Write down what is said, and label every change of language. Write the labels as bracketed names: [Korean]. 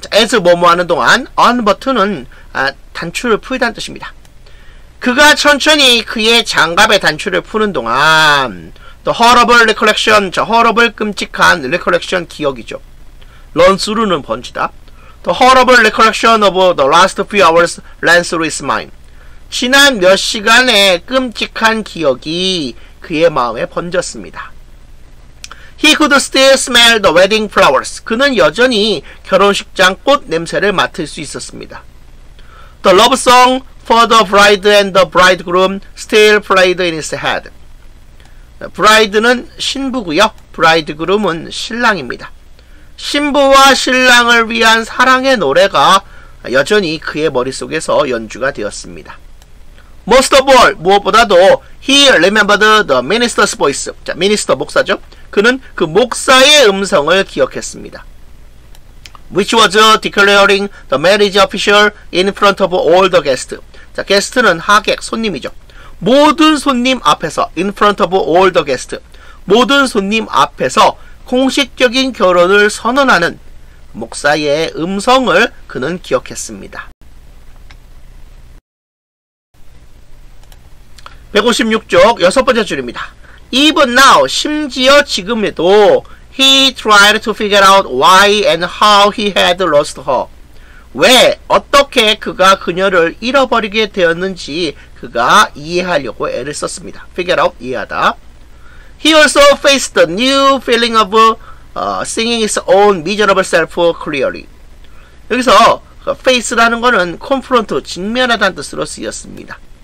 [Korean] As 뭐뭐 하는 동안 unbutton은 단추를 풀다는 뜻입니다. 그가 천천히 그의 장갑의 단추를 푸는 동안 [English] The horrible recollection, [Korean] 저 horrible 끔찍한 recollection 기억이죠. Run through는 번지다. [English] The horrible recollection of the last few hours ran through his mind. [Korean] 지난 몇 시간의 끔찍한 기억이 그의 마음에 번졌습니다. [English] He could still smell the wedding flowers. [Korean] 그는 여전히 결혼식장 꽃 냄새를 맡을 수 있었습니다. [English] The love song for the bride and the bridegroom still played in his head. [Korean] Bride는 신부고요. Bridegroom은 신랑입니다. 신부와 신랑을 위한 사랑의 노래가 여전히 그의 머릿속에서 연주가 되었습니다. [English] Most of all, [Korean] 무엇보다도 [English] he remembered the minister's voice. [Korean] 자, 미니스터 목사죠. 그는 그 목사의 음성을 기억했습니다. [English] Which was declaring the marriage official in front of all the guests. [Korean] 자, 게스트는 하객, 손님이죠. 모든 손님 앞에서, [English] in front of all the guests. [Korean] 모든 손님 앞에서 공식적인 결혼을 선언하는 목사의 음성을 그는 기억했습니다. 156쪽 여섯 번째 줄입니다. [English] Even now, [Korean] 심지어 지금에도 [English] he tried to figure out why and how he had lost her. [Korean] 왜, 어떻게 그가 그녀를 잃어버리게 되었는지 그가 이해하려고 애를 썼습니다. [English] Figure out, [Korean] 이해하다. [English] He also faced the new feeling of seeing his own miserable self clearly. [Korean] 여기서 face라는 것은 confront, 직면하다는 뜻으로 쓰였습니다.